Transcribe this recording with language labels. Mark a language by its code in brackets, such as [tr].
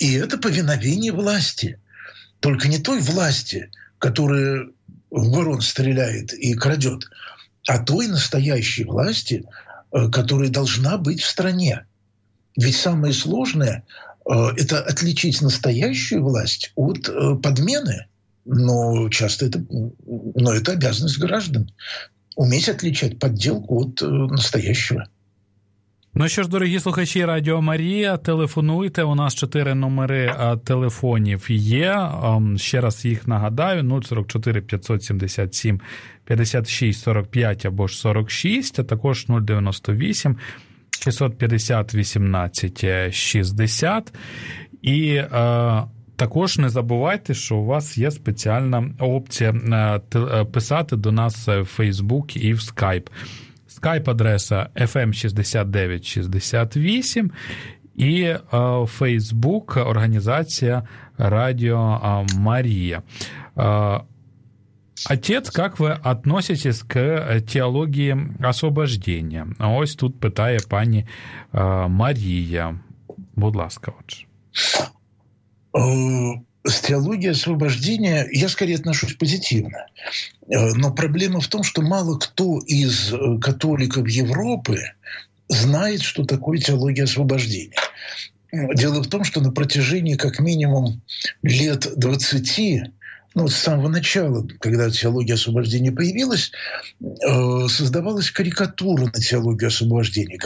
[ru] И это повиновение власти. Только не той власти, которая в ворон стреляет и крадет, а той настоящей власти, которая должна быть в стране. Ведь самое сложное – это отличить настоящую власть от подмены. Но часто это обязанность граждан – уметь отличать подделку от настоящего. [uk] Ну що ж, дорогі слухачі Радіо Марія, телефонуйте. У нас 4 номери телефонів є. Ще раз їх нагадаю. 044-577-56-45 або ж 46, а також 098-650-18-60. І також не забувайте, що у вас є спеціальна опція писати до нас в Facebook і в Skype. Скайп-адреса FM6968 і Facebook організація Радіо Марія. Отец, як ви відноситесь к теології освобождення? Ось тут питає пані Марія. Будь ласка, отже. [ru] С теологией освобождения я скорее отношусь позитивно. Но проблема в том, что мало кто из католиков Европы знает, что такое теология освобождения. Дело в том, что на протяжении как минимум лет 20, ну, с самого начала, когда теология освобождения появилась, создавалась карикатура на теологию освобождения.